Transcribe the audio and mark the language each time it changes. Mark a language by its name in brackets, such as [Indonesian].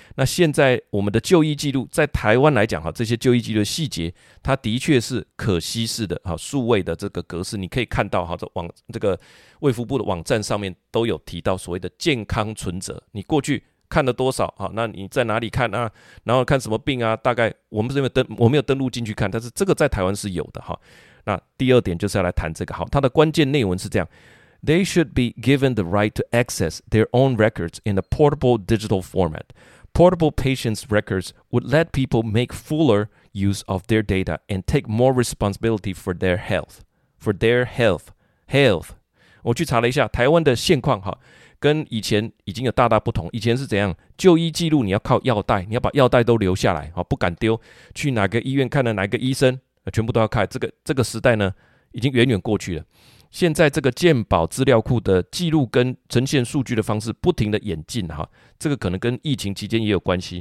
[Chinese] 那现在我们的就医记录在台湾来讲，这些就医记录的细节它的确是可稀释的，数位的这个格式你可以看到，这个卫福部的网站上面都有提到所谓的健康存折，你过去看了多少，那你在哪里看啊，然后看什么病啊，大概我们是没有登录进去看，但是这个在台湾是有的。那第二点就是要来谈这个，它的关键内文是这样， [English] They should be given the right to access their own records in a portable digital format. Portable patients' records would let people make fuller use of their data and take more responsibility for their health. For their health. Health. [Chinese] 我去查了一下台湾的现况，跟以前已经有大大不同。以前是怎样，就医记录你要靠药袋，你要把药袋都留下来，不敢丢，去哪个医院看了哪个医生全部都要看。这个时代呢已经远远过去了，现在这个健保资料库的记录跟呈现数据的方式不停的演进，这个可能跟疫情期间也有关系。